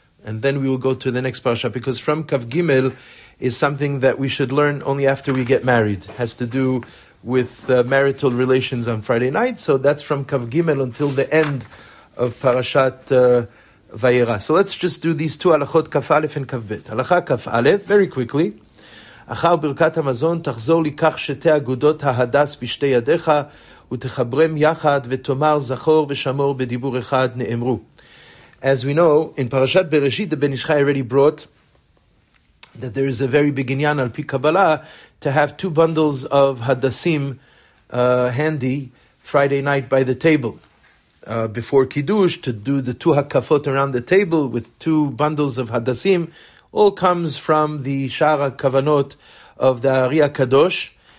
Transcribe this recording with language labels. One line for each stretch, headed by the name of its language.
English: And then we will go to the next parasha, because from Kaf Gimel is something that we should learn only after we get married. It has to do with marital relations on Friday night. So that's from Kaf Gimel until the end of Parashat Vayera. So let's just do these two halachot, Kaf Aleph and Kaf Bet. Halacha Kaf Aleph, very quickly.
Hebrew: אחר ברכת המזון תחזור לקח שתי אגודות ההדס בשתי ידיך ותחברם יחד ותאמר זכור ושמור בדיבור אחד נאמרו.
English: As we know, in Parashat Bereshit, the Ben Ish Chai already brought that there is a very big
Hebrew: inyan al pi Kabbalah
English: to have two bundles of hadasim handy Friday night by the table. Before Kiddush, to do the two hakafot around the table with two bundles of hadasim, all comes from the Shara Kavanot of the Ari HaKadosh.